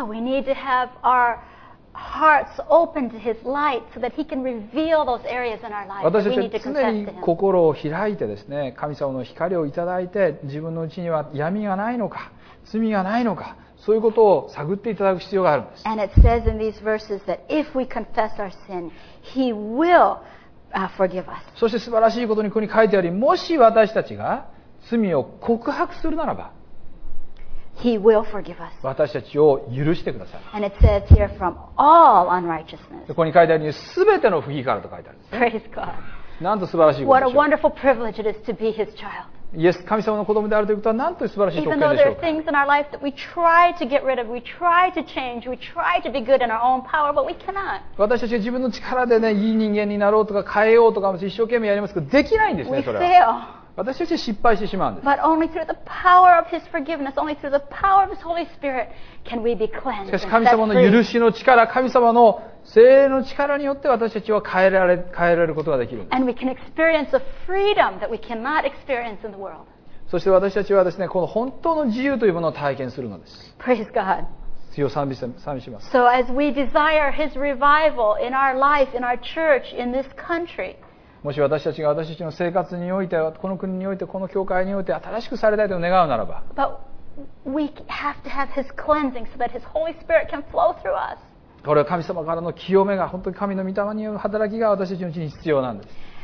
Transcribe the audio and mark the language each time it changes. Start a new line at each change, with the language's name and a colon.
English: So we need to have our hearts open to His light so that He can reveal those areas in our life that we need to confess to Him.
Japanese: 私たちは常に心を開いてですね、神様の光をいただいて、自分のうちには闇がないのか、罪がないのか、そういうことを探っていただく必要があるんです。
English: And it says in these verses that if we confess our sin, He will forgive us.
Japanese: そして素晴らしいことにここに書いてあり、もし私たちが罪を告白するならば、
English: He will forgive us.
Japanese: 私たちを許してくださる。
English: And it says here from all unrighteousness.
Japanese: ここに書いてあるように、すべての不義からと書いてあるんです。
English: Praise God.
Japanese: なんと素晴らしいことでしょう。
English: What a wonderful privilege it is to be His child.
Japanese: イエス、神様の子供であるということは、なんと素晴らしい特権でしょうか。
English: Even though there are things in our life that we try to get rid of, we try to change, we try to be good in our own power, but we cannot.
Japanese: 私たちが自分の力でね、いい人間になろうとか変えようとか一生懸命やりますけど、できないんですね、それは。
English: We fail.
Japanese: 私たち失敗してしまうんです。
English: But only through the power of His forgiveness, only through the power of His Holy Spirit, can we be cleansed.
Japanese: しかし神様の許しの力、神様の精霊の力によって私たちは変えられることができるんです。
English: And we can experience a freedom that we cannot experience in the world.
Japanese: そして私たちはですね、この本当の自由というものを体験するのです。
English: Praise God.
Japanese: 主を賛美します。
English: So as we desire His revival in our life, in our church, in this country.
Japanese: もし私たちが私たちの生活においてこの国においてこの教会において新しくされたいと願うならば、これは神様からの清めが本当に神の御霊による働きが私たちのうちに必要なんです。